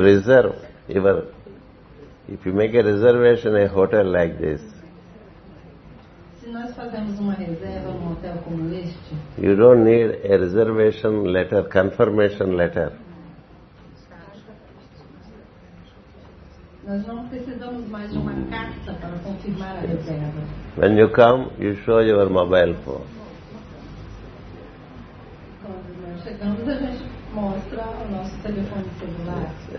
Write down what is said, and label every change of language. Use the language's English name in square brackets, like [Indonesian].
[English] reserve your, if you make a reservation a hotel like this, you don't need a reservation letter, confirmation letter. [Portuguese] Nós não precisamos mais de uma carta para confirmar a reserva. [English] When you come, you show your mobile phone. [Portuguese] Quando nós chegamos, a gente mostra o nosso telefone celular.